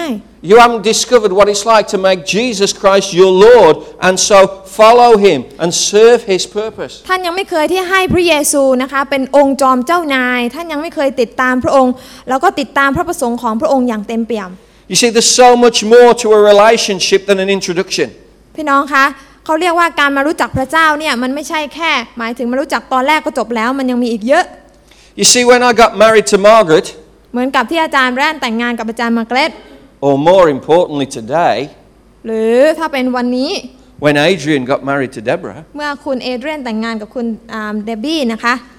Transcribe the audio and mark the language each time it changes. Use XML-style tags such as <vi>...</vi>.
<en>You haven't discovered what it's like to make Jesus Christ your Lord and so follow Him and serve His purpose.</en> <th>ท่านยังไม่เคยที่ให้พระเยซูนะคะเป็นองค์จอมเจ้านายท่านยังไม่เคยติดตามพระองค์แล้วก็ติดตามพระประสงค์ของพระองค์อย่างเต็มเปี่ยม</th> <en>You see, there's so much more to a relationship than an introduction.</en> <th>พี่น้องคะเขาเรียกว่าการมารู้จักพระเจ้าเนี่ยมันไม่ใช่แค่หมายถึงมารู้จักตอนแรกก็จบแล้วมันยังมีอีกเยอะ</th> <en>You see, when I got married to Margaret,</en> <th>เหมือนกับที่อาจารย์แรนแต่งงานกับอาจารย์มาร์เกร็ต</th> <en>Or more importantly today,</en> <th>หรือถ้าเป็นวันนี้</th> <en>When Adrian got married to Deborah,</en> <th>เมื่อคุณเอเดรียนแต่งงานกับคุณเดบี้นะคะ</th>